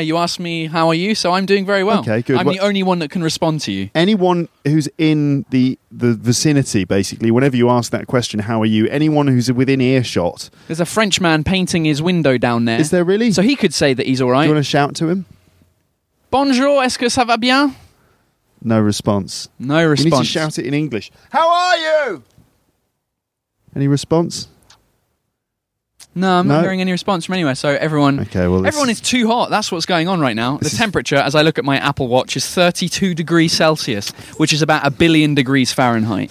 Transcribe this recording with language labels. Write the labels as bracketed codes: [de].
[en] You asked me how are you, so I'm doing very well. Okay, good. I'm the only one that can respond to you. Anyone who's in the vicinity, basically, whenever you ask that question, how are you, anyone who's within earshot. There's a French man painting his window down there. Is there really? So he could say that he's all right. Do you want to shout to him? [fr] Bonjour, est-ce que ça va bien? [en] No response. No response. You need to shout it in English. How are you? Any response? No, I'm not hearing any response from anywhere. So everyone, everyone is too hot. That's what's going on right now. The temperature, as I look at my Apple Watch, is 32 degrees Celsius, which is about a billion degrees Fahrenheit.